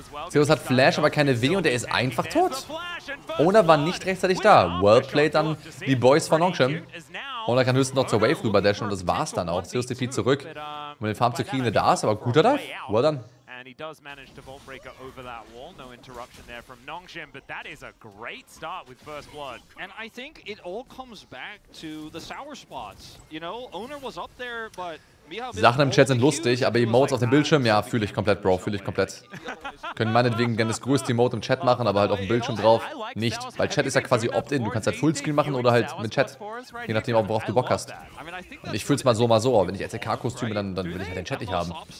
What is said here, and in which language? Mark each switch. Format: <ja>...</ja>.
<de>Zeus hat Flash, aber keine W und er ist einfach tot. Owner war nicht rechtzeitig da.</de> <en>Well played</en> <de>dann die Boys von Nongshim. Owner kann höchstens noch zur Wave rüber dashen und das war's dann auch. Zeus TP zurück, um den Farm zu kriegen, der da ist, aber guter Dive.</de> <en>Well done. And he does manage to Vault Breaker over that wall. No interruption there from Nongshim, but that is a great start with First Blood. And I think it all comes back to the sour spots. You know, Owner was up there, but</en> <de>Sachen im Chat sind lustig, aber Emotes auf dem Bildschirm, ja, fühle ich komplett, Bro, fühle ich komplett. Können meinetwegen gerne das größte Emote im Chat machen, aber halt auf dem Bildschirm drauf nicht. Weil Chat ist ja quasi Opt-in, du kannst halt Fullscreen machen oder halt mit Chat. Je nachdem, worauf du Bock hast. Und ich fühl's mal so, wenn ich LCK-Kostüme, dann will ich halt den Chat nicht haben.</de>